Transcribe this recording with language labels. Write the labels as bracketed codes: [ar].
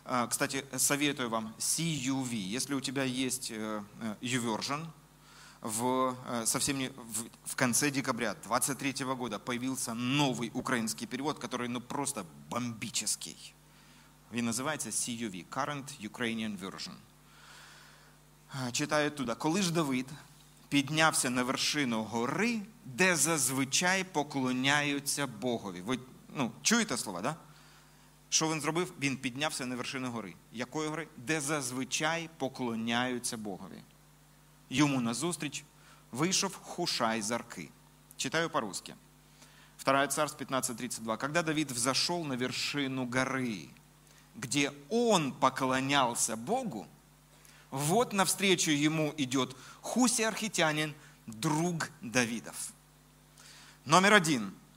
[ru] Кстати, советую вам CUV. Если у тебя есть YouVersion, в конце декабря 23 года появился новый украинский перевод, который, ну, просто бомбический. И называется CUV, Current Ukrainian Version. Читаю туда. [uk] «Коли ж Давид піднявся на вершину гори, де зазвичай поклоняються Богові». Ви, ну, чуєте слова, да? Що він зробив? Він піднявся на вершину гори. Якої гори? «Де зазвичай поклоняються Богові». Йому назустріч вийшов Хушай з Арки. [ru] Читаю по-русски. 2 Царств 15:32. «Когда Давид взошел на вершину горы, где он поклонялся Богу, вот навстречу ему идет Хуси архитянин, друг Давидов». Номер один.